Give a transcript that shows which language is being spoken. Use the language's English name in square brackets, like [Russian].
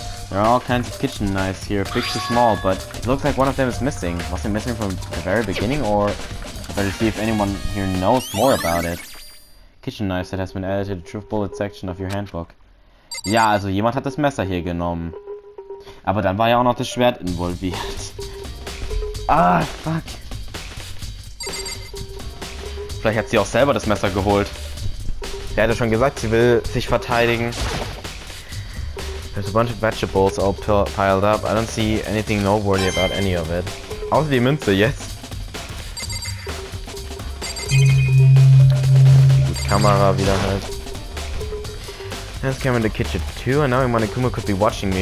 [English] There are all kinds of kitchen knives here, big to small, but it looks like one of them is missing. Was it missing from the very beginning, or better see if anyone here knows more about it. Kitchen knife that has been added to the truth bullet section of your handbook. [German] Ja, also jemand hat das Messer hier genommen. Aber dann war ja auch noch das Schwert involviert. [English] Ah, fuck. [German] Vielleicht hat sie auch selber das Messer geholt. Der hatte schon gesagt, sie will sich verteidigen. [English] There's a bunch of vegetables all piled up. I don't see anything noteworthy about any of it. [German] Außer die Münze, [English] yes. [German] Die Kamera wieder halt. [English] Hands came in the kitchen too, and now Monokuma could be watching me.